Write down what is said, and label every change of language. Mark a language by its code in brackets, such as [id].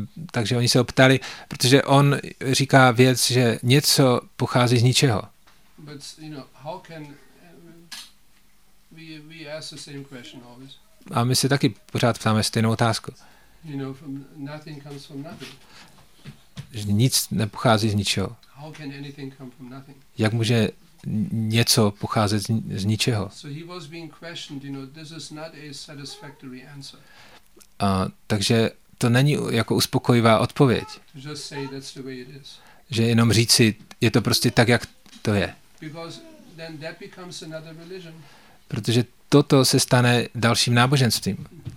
[cs] Takže oni se ho ptali, protože on říká věc, že něco pochází z ničeho. [en] But you know, how can we ask the same question always? [cs] A my se taky pořád ptáme stejnou otázku. [en] You know, from nothing comes from nothing. [cs] Že nic nepochází z ničeho. [en] How can anything come from nothing? [cs] Jak může něco pocházet z ničeho? [en] So he was being questioned, you know, this is not a satisfactory answer. [cs] Takže to není jako uspokojivá odpověď. [en] Just say that's the way it is. [cs] Že jenom říci, je to prostě tak, jak to je. [en] Because then that becomes another religion. [cs] Protože toto se stane dalším náboženstvím.